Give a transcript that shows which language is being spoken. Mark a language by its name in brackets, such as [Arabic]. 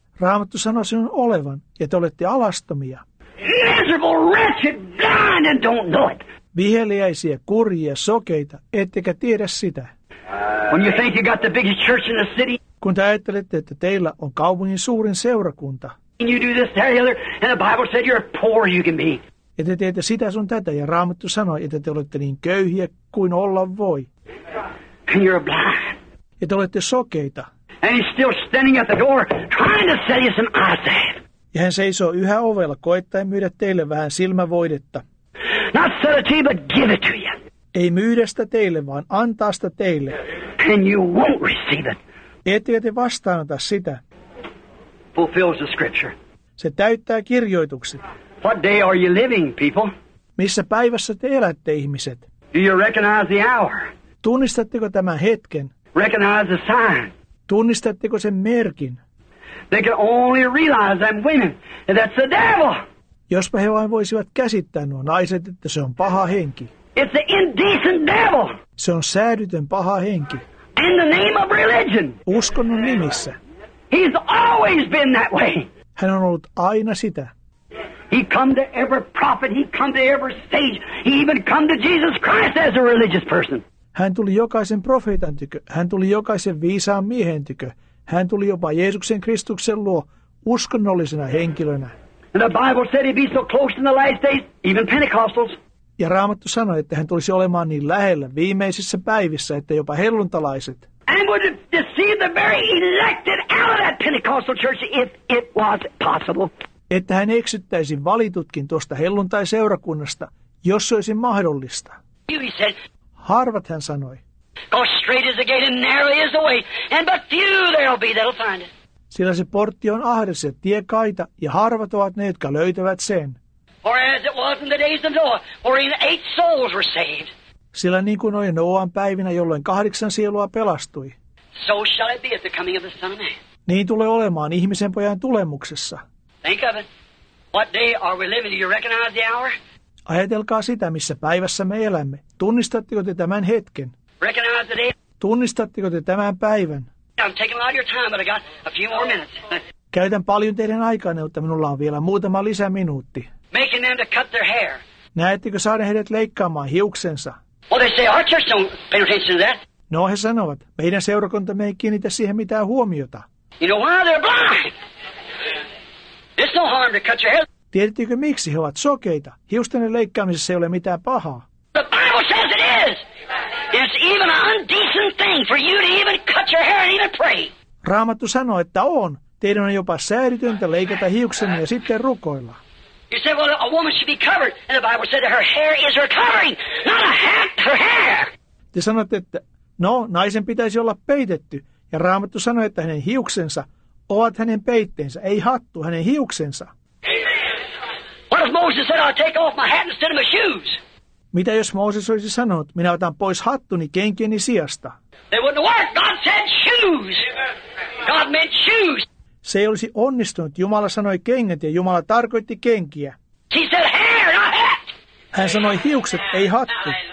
[Finnish] Raamattu sanoi sinun olevan, ja te olette alastomia. [English] Miserable, wretched, blind and don't know it. [Finnish] Viheliäisiä, kurjia, sokeita, ettekä tiedä sitä. [English] When you think you got the biggest church in the city. [Finnish] Kun te ajattelette, että teillä on kaupungin suurin seurakunta. [English] You do this, that, other, and the Bible said you're poor you can be. [Finnish] Ja te teette sitä sun tätä, ja Raamattu sanoi, että te olette niin köyhiä kuin olla voi. [English] And you're blind. [Finnish] Ja te olette sokeita. [English] And he's still standing at the door trying to sell you some eyesight. [Finnish] Ja hän seisoo yhä ovella koettaen myydä teille vähän silmävoidetta. [English] Not sell it to you, but give it to you. [Finnish] Ei myydä sitä teille, vaan antaa sitä teille. [English] And you won't receive it. [Finnish] Ettekö te vastaanota sitä? [English] Fulfills the scripture. [Finnish] Se täyttää kirjoitukset. [English] What day are you living, people? [Finnish] Missä päivässä te elätte, ihmiset? [English] Do you recognize the hour? [Finnish] Tunnistatteko tämän hetken? [English] Recognize the sign. [Finnish] Tunnistatteko sen merkin? [English] They can only realize them women, and that's the devil. [Finnish] Jospa he vain voisivat käsittää nuo naiset, että se on paha henki. [English] It's the indecent devil. [Finnish] Se on säädytön paha henki. [English] In the name of religion. [Finnish] Uskonnon nimissä. [English] He's always been that way. [Finnish] Hän on ollut aina sitä. [English] He come to every prophet, he come to every sage, he even come to Jesus Christ as a religious person. [Finnish] Hän tuli jokaisen profeetan tykö, hän tuli jokaisen viisaan miehen tykö, hän tuli jopa Jeesuksen Kristuksen luo uskonnollisena henkilönä. [English] And the Bible said he'd be so close in the last days, even Pentecostals. [Finnish] Ja Raamattu sanoi, että hän tulisi olemaan niin lähellä viimeisissä päivissä, että jopa helluntalaiset. [English] And would deceive the very elected out of that Pentecostal church if it was possible. [Finnish] Että hän eksyttäisi valitutkin tuosta helluntai-seurakunnasta, jos se olisi mahdollista. [English] He said, [Finnish] harvat hän sanoi. [English] Because straight is the gate and narrow is the way, and but few there'll be that'll find it. [Finnish] Sillä se portti on ahdas ja tie kaita, ja harvat ovat ne, jotka löytävät sen. [English] Or as it was in the days of Noah, wherein 8 souls were saved. [Finnish] Sillä niin kuin oli Noan päivinä, jolloin 8 sielua pelastui. [English] So shall it be at the coming of the Son of Man. [Finnish] Niin tulee olemaan ihmisen pojan tulemuksessa. [English] Think of it. What day are we living? Do you recognize the hour? [Finnish] Ajatelkaa sitä, missä päivässä me elämme. Tunnistatteko te tämän hetken? [English] Recognize the day. [Finnish] Tunnistatteko te tämän päivän? [English] I'm taking a lot of your time, but I got a few more minutes. [Finnish] Käytän paljon teidän aikanne, mutta minulla on vielä muutama lisäminuutti. [English] Making them to cut their hair. [Finnish] Näettekö saada heidät leikkaamaan hiuksensa? [English] Well, they say our church don't pay attention to that. [Finnish] No, he sanovat, meidän seurakuntamme ei kiinnitä siihen mitään huomiota. [English] You know why they're blind? It's no harm to cut your hair. [Finnish] Tiedättekö miksi he ovat sokeita? Hiustenne leikkaamisessa ei ole mitään pahaa. [English] The Bible says it is. It's even an undecent thing for you to even cut your hair and even pray. [Finnish] Raamattu sanoo, että on. Teidän on jopa säädytöntä leikata hiuksenne ja sitten rukoilla. [English] You say, well, a woman should be covered. And the Bible said that her hair is her covering, not a hat, her hair. [Finnish] Te sanotte, että no, naisen pitäisi olla peitetty. Ja Raamattu sanoi, että hänen hiuksensa ovat hänen peitteensä, ei hattu, hänen hiuksensa. [English] What if Moses said, I'll take off my hat instead of my shoes? [Finnish] Mitä jos Mooses olisi sanonut, minä otan pois hattuni kenkieni sijasta? [English] They wouldn't work. God said shoes. God meant shoes. [Finnish] Se ei olisi onnistunut. Jumala sanoi kengät ja Jumala tarkoitti kenkiä. [English] He said hair, not hat. [Finnish] Hän sanoi hiukset, ei hattu.